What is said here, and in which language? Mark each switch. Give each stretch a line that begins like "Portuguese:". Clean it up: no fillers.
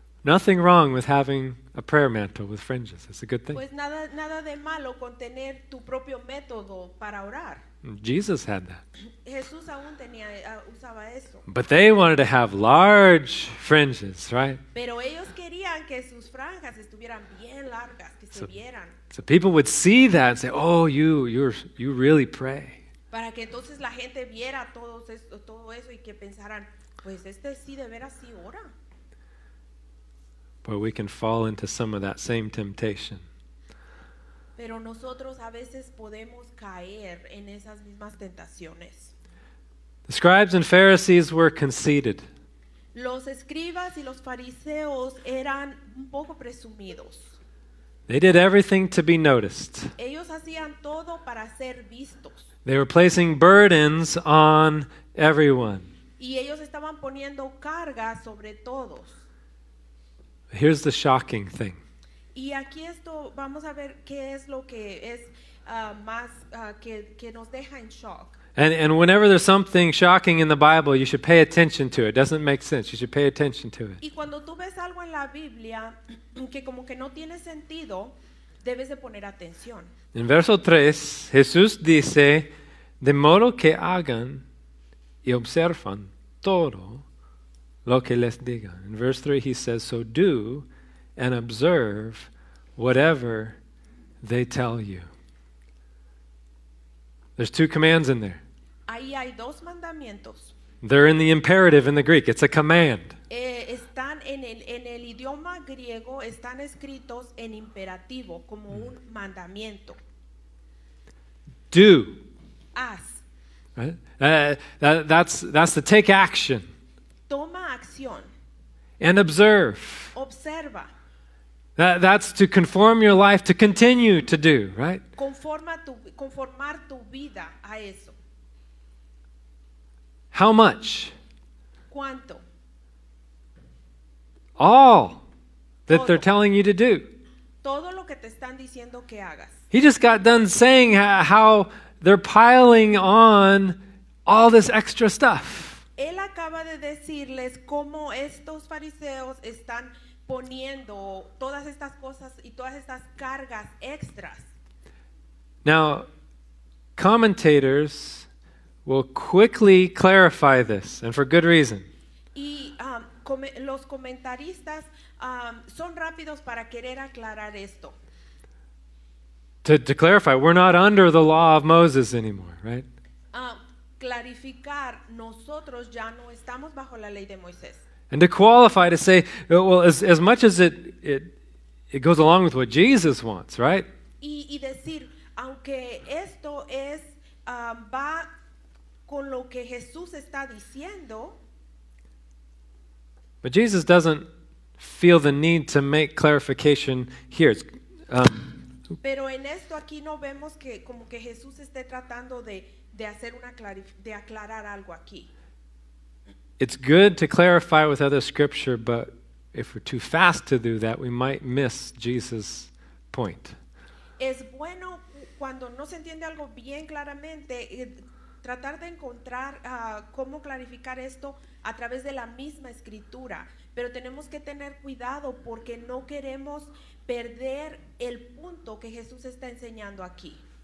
English: Nothing wrong with having a prayer mantle with fringes. It's a good thing.
Spanish: Pues nada de malo con tener tu propio método para orar.
English: Jesus had that.
Spanish: Jesús aún usaba eso.
English: But they wanted to have large fringes, right?
Spanish: Pero ellos querían que sus franjas estuvieran bien largas, que se vieran.
English: So people would see that and say, "Oh, you really pray."
Spanish: Para que entonces la gente viera todo eso y que pensaran, pues este sí de veras sí ora.
English: Where we can fall into some of that same temptation.
Spanish: Pero nosotros a veces podemos caer en esas mismas tentaciones.
English: The scribes and Pharisees were conceited.
Spanish: Los escribas y los fariseos eran un poco presumidos.
English: They did everything to be noticed.
Spanish: Ellos hacían todo para ser vistos.
English: They were placing burdens on everyone.
Spanish: Y ellos estaban poniendo cargas sobre todos.
English: Here's the shocking thing.
Spanish: Y aquí esto, vamos a ver qué es lo que es más que nos deja en shock.
English: And whenever there's something shocking in the Bible, you should pay attention to it. Doesn't make sense. You should pay attention to it.
Spanish: Y cuando tú ves algo en la Biblia que como que no tiene sentido, debes de poner atención. En verso 3, Jesús dice, de modo que hagan y observan todo lo que les diga.
English: In verse 3 he says, so do and observe whatever they tell you. There's two commands in there.
Spanish: Ahí hay dos mandamientos.
English: They're in the imperative in the Greek. It's a command.
Spanish: Están en el idioma griego, están escritos en imperativo, como un mandamiento.
English: Do.
Spanish: Haz.
English: That's to take action.
Spanish: Toma acción.
English: And observe.
Spanish: Observa.
English: That's to conform your life, to continue to do, right?
Spanish: Conformar tu vida a eso.
English: How much?
Spanish: ¿Cuánto?
English: All that they're telling you to do.
Spanish: Todo lo que te están diciendo que hagas.
English: He just got done saying how they're piling on all this extra stuff.
Spanish: Él acaba de decirles cómo estos fariseos están poniendo todas estas cosas y todas estas cargas extras.
English: Now, commentators will quickly clarify this, and for good reason.
Spanish: Y los comentaristas son rápidos para querer aclarar esto.
English: To clarify, we're not under the law of Moses anymore, right?
Spanish: Clarificar, nosotros ya no estamos bajo la ley de Moisés.
English: And to qualify, to say, well, as much as it goes along with what Jesus wants, right?
Spanish: Y decir, aunque esto es va con lo que Jesús está diciendo.
English: But Jesus doesn't feel the need to make clarification here.
Spanish: Pero en esto aquí no vemos que como que Jesús esté tratando de hacer una de aclarar algo aquí.
English: It's good to clarify with other scripture, but if we're too fast to do that, we might miss Jesus' point.
Spanish: Es bueno cuando no se entiende algo bien claramente tratar de encontrar cómo clarificar esto a través de la misma escritura, pero tenemos que tener cuidado porque no queremos perder el punto que Jesús está enseñando aquí.